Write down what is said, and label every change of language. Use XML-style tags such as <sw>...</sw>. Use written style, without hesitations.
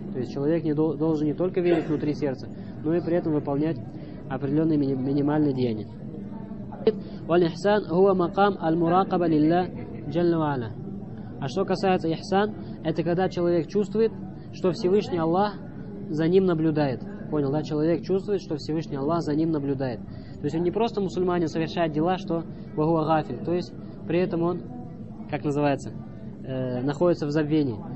<ru>То есть человек не должен не только верить внутри сердца, но и при этом выполнять определенные минимальные деяния.</ru> <ar>والإحسان هو مقام المراقبة لله جل وعلا.</ar> <ru>А что касается ихсан, это когда человек чувствует, что Всевышний Аллах за ним наблюдает. Понял, да? Человек чувствует, что Всевышний Аллах за ним наблюдает. То есть он не просто мусульманин совершает дела, что</ru> <ar>вахуа гафиль.</ar> <ru>То есть при этом он, как называется, находится в забвении.</ru>